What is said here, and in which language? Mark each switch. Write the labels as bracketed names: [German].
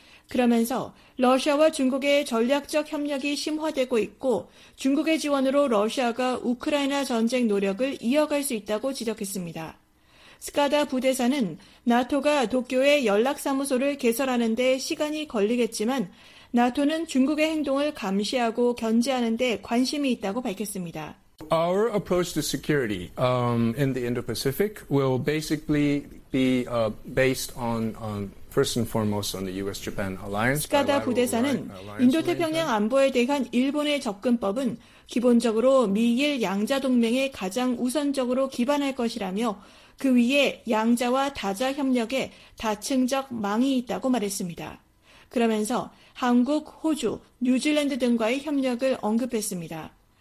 [Korean] 그러면서 러시아와 중국의 전략적 협력이 심화되고 있고 중국의 지원으로 러시아가 우크라이나 전쟁 노력을 이어갈 수 있다고 지적했습니다. 스카다 부대사는 나토가 도쿄에 연락사무소를 개설하는 데 시간이 걸리겠지만 나토는 중국의 행동을 감시하고 견제하는 데 관심이 있다고 밝혔습니다. [English] Our approach to security in the Indo-Pacific will basically be based on first and foremost on the US-Japan alliance. [Korean] 스카다 부대사는 인도태평양 안보에 대한 일본의 접근법은 기본적으로 미일 양자 동맹에 가장 우선적으로 기반할 것이라며 그 위에 양자와 다자 협력에 다층적 망이 있다고 말했습니다. 그러면서 한국, 호주, 뉴질랜드 등과의 협력을 언급했습니다.